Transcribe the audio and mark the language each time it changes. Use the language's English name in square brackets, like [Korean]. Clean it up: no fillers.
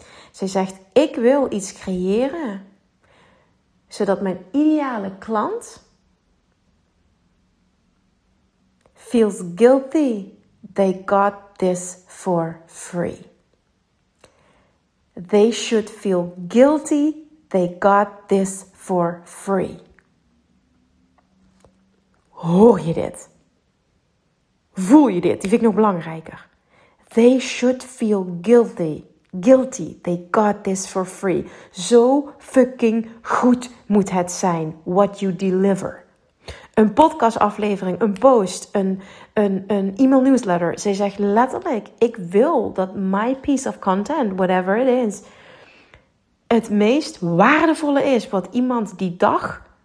[Dutch] Zij zegt, ik wil iets creëren zodat mijn ideale klant [English] feels guilty they got this for free. They should feel guilty they got this for free. [Dutch] Hoor je dit? Voel je dit? Die vind ik nog belangrijker. [English] They should feel guilty. Guilty. They got this for free. [Dutch] Zo fucking goed moet het zijn. [English] What you deliver. [Dutch] Een podcast aflevering. Een post. Een e-mail newsletter. Zij zegt letterlijk, ik wil dat [English] my piece of content, whatever it is, [Dutch] het meest waardevolle is wat iemand die dag